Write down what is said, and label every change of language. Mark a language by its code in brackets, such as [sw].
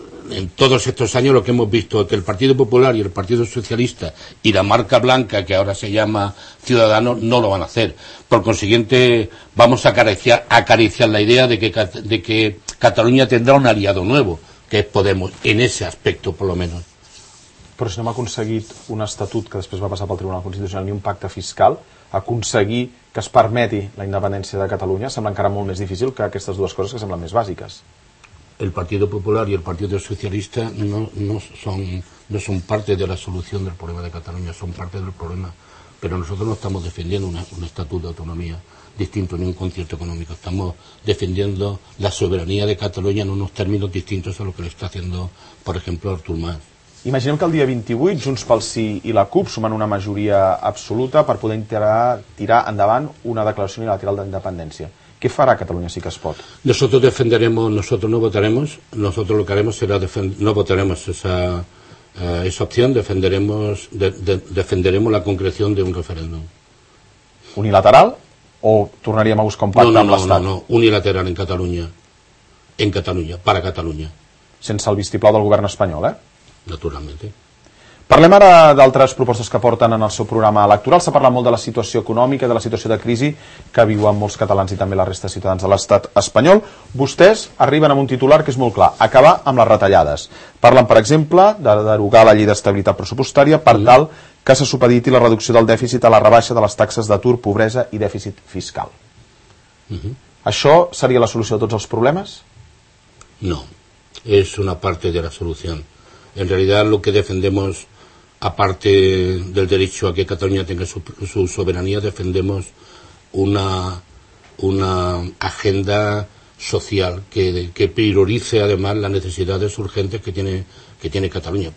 [es] en todos estos años lo que hemos visto es que el Partido Popular y el Partido Socialista y la marca blanca que ahora se llama Ciudadanos no lo van a hacer. Por consiguiente, vamos a acariciar la idea de que Cataluña tendrá un aliado nuevo, que es Podemos, en ese aspecto por lo menos. [ca] Però si no hem aconseguit un estatut que després va passar pel Tribunal Constitucional ni un pacte fiscal, aconseguir que es permeti la independència de Catalunya sembla encara molt més difícil que aquestes dues coses que semblen més bàsiques. [es] El Partido Popular y el Partido Socialista no son parte de la solución del problema de Cataluña, son parte del problema. Pero nosotros no estamos defendiendo un estatuto de autonomía distinto ni un concierto económico. Estamos defendiendo la soberanía de Cataluña en unos términos distintos a lo que lo está haciendo, por ejemplo, Artur Mas. [ca] Imaginem que el dia 28 Junts pel Sí i la CUP sumen una majoria absoluta per poder tirar endavant una declaració unilateral d'independència. [es] ¿Qué fará Cataluña Sí que es Pot? Nosotros defenderemos, nosotros no votaremos, nosotros lo que haremos será no votaremos esa opción, defenderemos la concreción de un referéndum. [ca] ¿Unilateral o tornaríem a buscar un pacte amb l'Estat? [es] No, unilateral en Cataluña, para Cataluña. [ca] Sense el vistiplau del govern espanyol, [es] Naturalmente. [ca] Parlem ara d'altres propostes que porten en el seu programa electoral. S'ha parlat molt de la situació econòmica, de la situació de crisi que viuen molts catalans i també la resta de ciutadans de l'Estat espanyol. Vostès arriben amb un titular que és molt clar, acabar amb les retallades. Parlen, per exemple, de derogar la llei d'estabilitat pressupostària per tal que se supediti la reducció del dèficit a la rebaixa de les taxes d'atur, pobresa i dèficit fiscal. Això seria la solució de tots els problemes? No, és una part de la solució. [es] En realidad lo que defendemos, aparte del derecho a que Cataluña tenga su soberanía, defendemos una agenda social que priorice además las necesidades urgentes que tiene Cataluña.